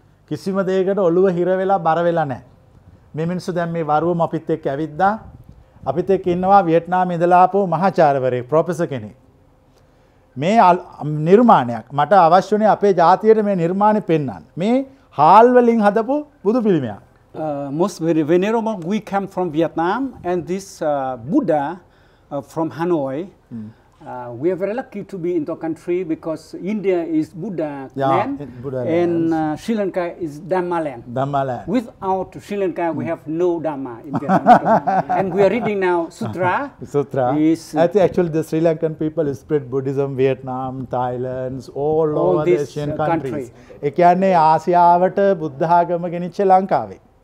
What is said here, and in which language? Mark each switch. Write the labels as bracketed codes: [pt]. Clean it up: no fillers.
[si] කිසිම දෙයකට ඔළුව හිර වෙලා බර වෙලා නැහැ. මේ මිනිස්සු දැන් මේ වරුවම අපිත් එක්ක ඇවිද්දා. අපිත් එක්ක ඉන්නවා වියට්නාමේ ඉඳලා ආපු මහාචාර්යවරේ ප්‍රොෆෙසර් කෙනෙක්. මේ නිර්මාණයක් මට අවශ්‍ය වුණේ අපේ ජාතියට මේ නිර්මාණය පෙන්වන්න. මේ හාල් වලින් හදපු බුදු පිළිමයක්. [en] Most very venerable we come from Vietnam and this Buddha from Hanoi. We are very lucky to be in the country because India is Buddha land and Sri Lanka is Dhamma land. Dhamma land. Without Sri Lanka we have no Dhamma in Vietnam. And we are reading now Sutra. Sutra. I think actually the Sri Lankan people spread Buddhism Vietnam, Thailand, all over the Asian countries. [si] ඒ කියන්නේ ආසියාවට බුද්ධ ආගම ගෙනිච්ච ලංකාවේ.